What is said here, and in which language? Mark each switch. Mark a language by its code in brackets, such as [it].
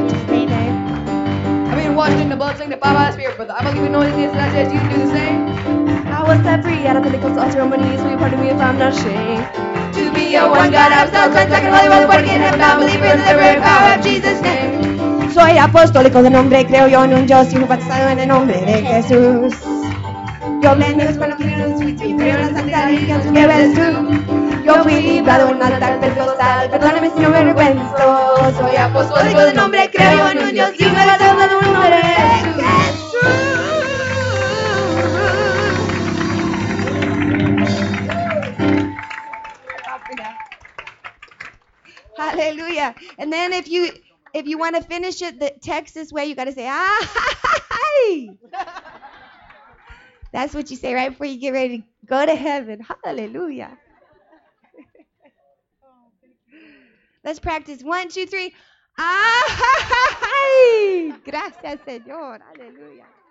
[en] I've been washed in the blood, sanctified by the Spirit, brother. I believe in all these things, and I say you can do the same. I was set free out of Pentecost, altar on my knees. Will you pardon me if I'm not ashamed? To be a one God, I'm still trying to talk and holy, brother, born again, and bound, believer in the liberating power of Jesus' name. [es] Soy apostólico de nombre, creo yo en un Dios, y me bautizado en el nombre de Jesús. Yo fui librado en un altar pentecostal. Perdóname si no me avergüenzo. Soy apostólico de nombre, creo en un Dios. Y me he dado un nombre de Jesús. [en] Hallelujah. And then if you want to finish it the Texas way, you got to say, ah, hi. That's what you say right before you get ready to go to heaven. Hallelujah. Let's practice. 1, 2, 3. [es] Ay, gracias, Señor. [en] Hallelujah.